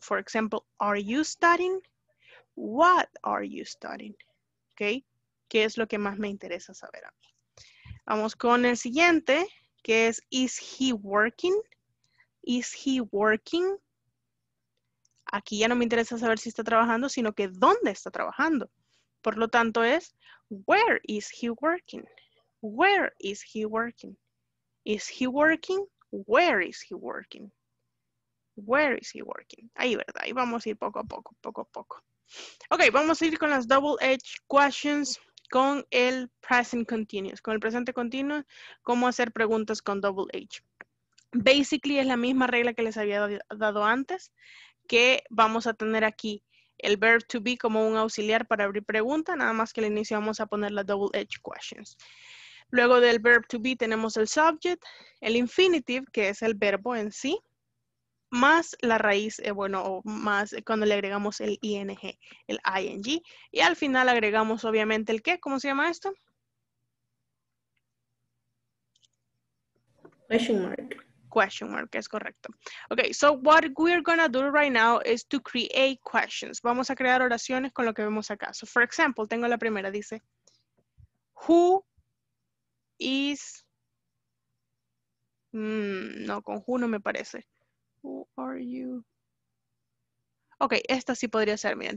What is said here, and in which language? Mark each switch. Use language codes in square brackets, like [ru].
[en] For example, are you studying? What are you studying? Okay. [es] ¿Qué es lo que más me interesa saber a mí? Vamos con el siguiente, que es, [en] is he working? Is he working? [es] Aquí ya no me interesa saber si está trabajando, sino que dónde está trabajando. Por lo tanto es, [en] where is he working? Where is he working? Is he working? Where is he working? Where is he working? [es] Ahí, ¿verdad? Ahí vamos a ir poco a poco, poco a poco. Ok, vamos a ir con las double edge questions con el present continuous. Con el presente continuo, ¿cómo hacer preguntas con double edge? Basically, es la misma regla que les había dado antes, que vamos a tener aquí el verb to be como un auxiliar para abrir pregunta, nada más que al inicio vamos a poner las double edge questions. Luego del verb to be tenemos el subject, el infinitive, que es el verbo en sí, más la raíz, bueno, o más cuando le agregamos el ing, el ing. Y al final agregamos obviamente el qué, ¿cómo se llama esto? [en] Question mark. [es] Question mark, es correcto. [en] Okay, so what we're gonna do right now is to create questions. [es] Vamos a crear oraciones con lo que vemos acá. [en] So for example, [es] tengo la primera, dice, who is, no, con who no me parece. [en] Who are you? [es] Ok, esta sí podría ser, miren.